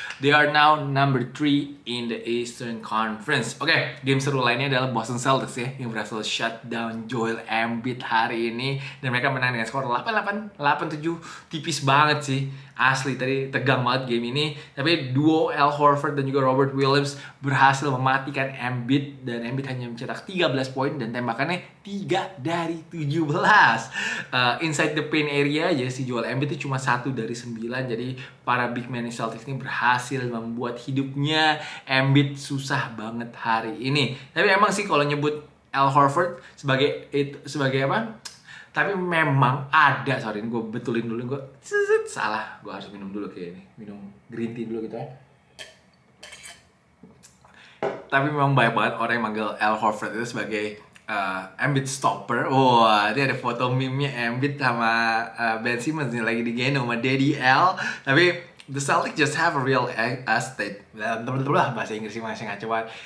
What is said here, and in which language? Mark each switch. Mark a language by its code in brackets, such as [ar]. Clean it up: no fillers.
[en] They are now number 3 in the Eastern Conference. [id] Oke, game seru lainnya adalah Boston Celtics ya, yang berhasil [en] shut down [id] Joel Embiid hari ini. Dan mereka menang dengan skor 88-87. Tipis banget sih. Asli, tadi tegang banget game ini. Tapi duo Al Horford dan juga Robert Williams berhasil mematikan Embiid. Dan Embiid hanya mencetak 13 poin dan tembakannya 3 dari 17. [en] Inside the paint area [id] aja si Joel Embiid itu cuma 1 dari 9. Jadi para big man Celtics ini berhasil membuat hidupnya Embiid susah banget hari ini. Tapi emang sih kalau nyebut Al Horford sebagai itu sebagai apa? Tapi memang ada, [en] sorry, [id] gue betulin dulu, gue salah, gue harus minum dulu kayak ini, minum green tea dulu gitu ya. Tapi memang banyak banget orang yang manggil Al Horford itu sebagai Embiid stopper. Wah, dia ada foto meme-nya Embiid sama Ben Simmons nih lagi di Geno sama Daddy Al. Tapi [en] the Celtics just have a real estate. [id] Betul-betul bahasa Inggrisnya masih ngaco banget.